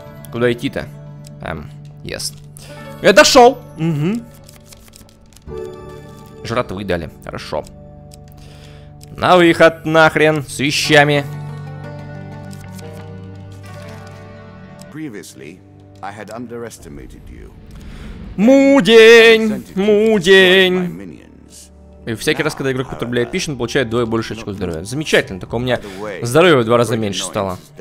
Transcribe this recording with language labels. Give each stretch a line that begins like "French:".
Russian: Куда идти-то?
English: Yes.
Russian: Я дошел! Угу. Жратвы дали. Хорошо. На выход нахрен с вещами.
English: Previously, I had underestimated you.
Russian: Мудень! Мудень! И всякий раз, когда игрок потребляет пищу, он получает вдвое больше очков здоровья. Замечательно, только у меня здоровье в два раза меньше стало.